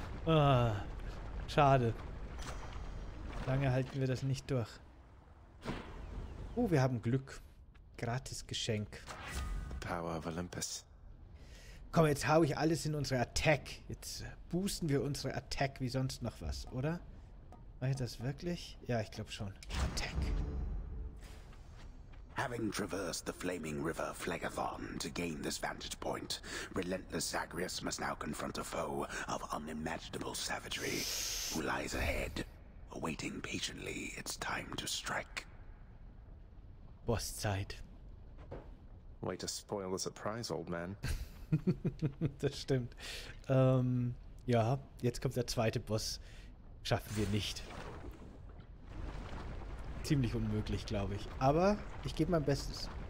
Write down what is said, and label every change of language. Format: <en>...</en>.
<de>Schade. Lange halten wir das nicht durch. Oh, wir haben Glück. Gratis Geschenk.</de> <en>Power of Olympus.</en> <de>Komm, jetzt hau ich alles in unsere Attack. Jetzt boosten wir unsere Attack wie sonst noch was, oder? Mache ich das wirklich? Ja, ich glaube schon. Attack.</de> <en>Having traversed the flaming river Phlegethon to gain this vantage point, relentless Zagreus must now confront a foe of unimaginable savagery who lies ahead, awaiting patiently its time to strike.</en> <de>Bosszeit.</de> <en>Way to spoil the surprise, old man.</en> <de>Das stimmt. Ja, jetzt kommt der zweite Boss. Schaffen wir nicht. Ziemlich unmöglich, glaube ich. Aber ich gebe mein Bestes.</de>